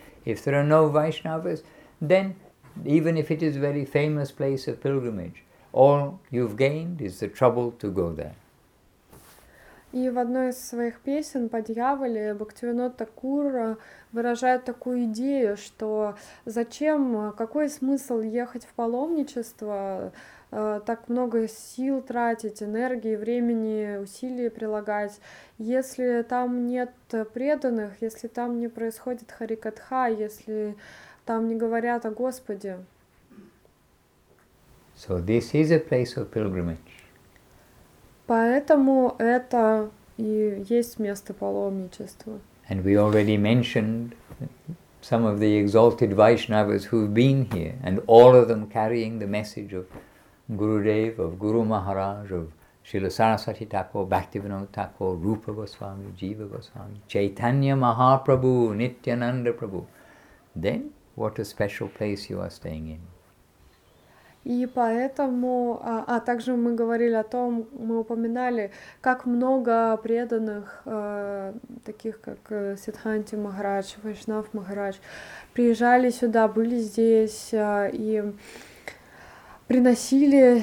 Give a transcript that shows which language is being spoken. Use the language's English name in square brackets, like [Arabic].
[English] If there are no Vaishnavas, then even if it is a very famous place of pilgrimage, all you've gained is the trouble to go there. [Russian] И в одной из своих песен «По дьяволе» Бхактивинода Такур выражает такую идею, что зачем, какой смысл ехать в паломничество, так много сил тратить, энергии, времени, усилий прилагать, если там нет преданных, если там не происходит харикатха, если там не говорят о Господе. [English] So this is a place of pilgrimage. [Russian] Поэтому это и есть место паломничества. [English] And we already mentioned some of the exalted Vaishnavas who've been here, and all of them carrying the message of Gurudev, of Guru Maharaj, of Srila Sarasvati Thakur, Bhaktivinoda Thakur, Rupa Goswami, Jiva Goswami, Chaitanya Mahaprabhu, Nityananda Prabhu. Then what a special place you are staying in. [Russian] И поэтому, также мы говорили о том, мы упоминали, как много преданных, таких как Сиддханти Махарадж, Вайшнав Махарадж, приезжали сюда, были здесь и приносили